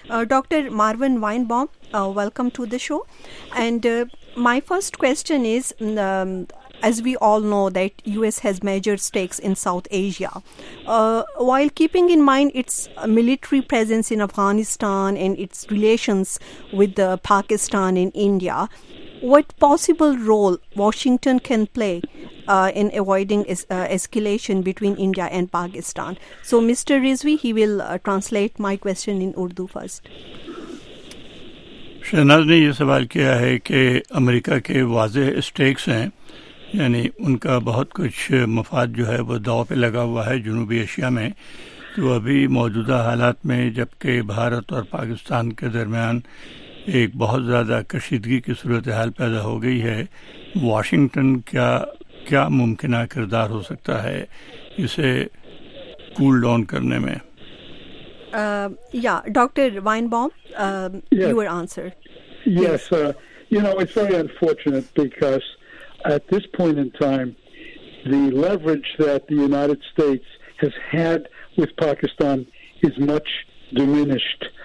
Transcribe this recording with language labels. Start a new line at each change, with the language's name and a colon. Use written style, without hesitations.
English: Doctor Marvin Weinbaum, welcome to the show, and my first question is, as we all know that US has major stakes in South Asia, while keeping in mind its military presence in Afghanistan and its relations with Pakistan and India, what possible role Washington can play in avoiding escalation between India and Pakistan. So, Mr. Rizvi, he will translate my question in Urdu first.
Urdu: Shahnaz نے یہ سوال کیا ہے کہ امریکہ کے واضح stacks ہیں, یعنی ان کا بہت کچھ مفاد جو ہے وہ دعوے پہ لگا ہوا ہے جنوبی ایشیا میں, تو ابھی موجودہ حالات میں جبکہ بھارت اور پاکستان کے درمیان ایک بہت زیادہ کشیدگی کی صورتحال پیدا ہو گئی ہے, واشنگٹن کیا ممکنہ کردار ہو سکتا ہے اسے کول ڈاؤن کرنے میں؟
English: Yeah, Dr. Weinbaum, your answer. Yes, you know, it's very unfortunate because at this point in time, the leverage that the United States has had with Pakistan is much diminished.